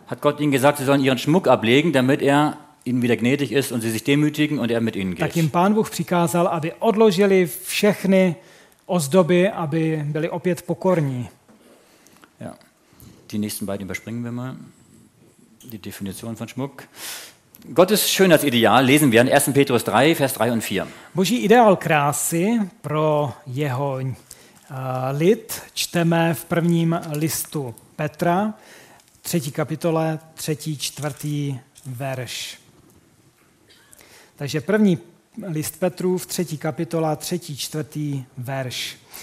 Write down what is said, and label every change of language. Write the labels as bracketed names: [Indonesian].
[German] hat Gott ihnen gesagt, sie sollen ihren Schmuck ablegen, damit er ihnen wieder gnädig ist und sie sich demütigen und er mit ihnen geht. [Czech] Tak jim Pán Bůh přikázal, aby odložili všechny ozdoby, aby byli opět pokorní. [German] Ja. Die nächsten beiden überspringen wir mal. Die Definition von Schmuck. Gottes schönes Ideal lesen wir in 1. Petrus 3, Vers 3 und 4. [Czech] Boží ideál krásy pro jeho lid čteme v prvním listu Petra, 3. kapitole, 3. 4. verš. Takže první list Petru v 3. kapitola, 3. 4. verš.